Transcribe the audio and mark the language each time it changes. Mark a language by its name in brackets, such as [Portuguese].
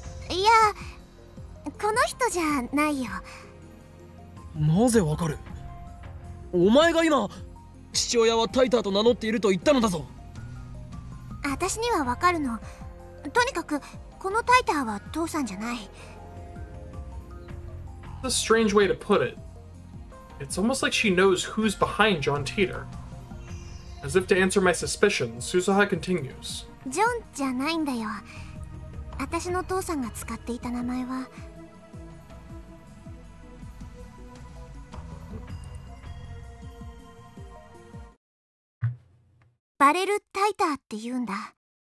[Japanese] いや、この人じゃないよ。なぜわかる？お前が今父親はタイターと名乗っていると言ったのだぞ。私にはわかるの。とにかくこのタイターは父さんじゃない。 [English] A strange way to put it. It's almost like she knows who's behind John Teeter. As if to answer my suspicion, Suzuha continues. [Japanese] ジョンじゃないんだよ。私の父さんが使っていた名前は。バレルタイターって言うんだ。